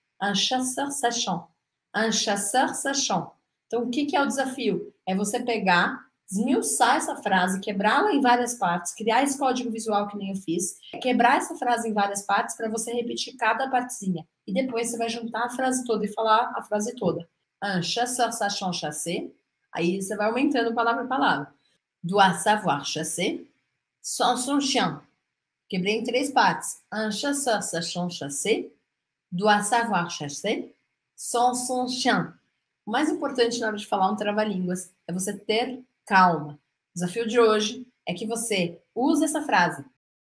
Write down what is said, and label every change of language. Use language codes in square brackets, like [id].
[fr] Un chasseur, sachant. Un chasseur, sachant. [pt] Então, o que que é o desafio? É você pegar, esmiuçar essa frase, quebrá-la em várias partes, criar esse código visual que nem eu fiz, quebrar essa frase em várias partes para você repetir cada partezinha. E depois você vai juntar a frase toda e falar a frase toda. [fr] Un chasseur, sachant, chasser. [pt] Aí você vai aumentando palavra a palavra. [fr] Doit savoir chasser. Sans son chien. [pt] Quebrei em três partes. [fr] Un chasseur, sachant, chasser. Doit savoir chasser. Sans son chien. [pt] O mais importante na hora de falar um trava-línguas é você ter calma. O desafio de hoje é que você use essa frase